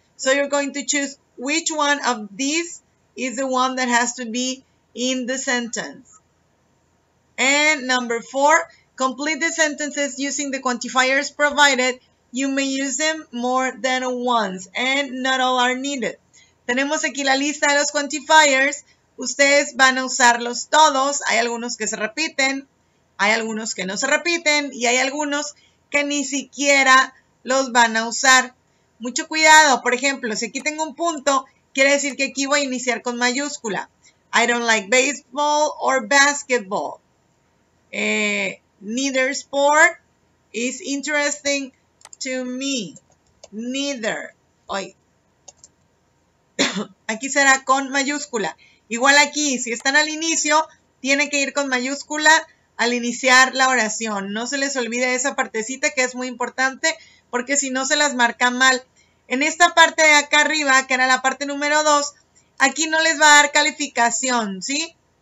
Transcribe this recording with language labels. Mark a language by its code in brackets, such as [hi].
[en] So you're going to choose which one of these is the one that has to be in the sentence. And number four, complete the sentences using the quantifiers provided. You may use them more than once and not all are needed. [es] Tenemos aquí la lista de los quantifiers. Ustedes van a usarlos todos. Hay algunos que se repiten, hay algunos que no se repiten y hay algunos que ni siquiera los van a usar. Mucho cuidado. Por ejemplo, si aquí tengo un punto, quiere decir que aquí voy a iniciar con mayúscula. [en] I don't like baseball or basketball. Neither sport is interesting to me. Neither. Hoy. [es] Aquí será con mayúscula. Igual aquí, si están al inicio, tiene que ir con mayúscula al iniciar la oración. No se les olvide esa partecita que es muy importante porque si no se las marca mal. En esta parte de acá arriba, que era la parte número 2, aquí no les va a dar calificación, ¿sí?